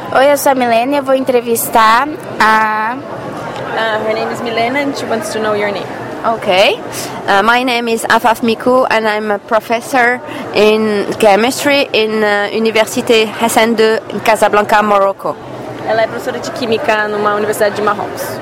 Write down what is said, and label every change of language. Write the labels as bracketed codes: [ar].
[pt] Oi, eu sou a Milena, eu vou entrevistar a... [en] Her name is Milena and she wants to know your name. Okay. My name is Afaf Miku and I'm a professor in chemistry in Université Hassan II in Casablanca, Morocco. [pt] Ela é professora de química numa universidade de Marrocos.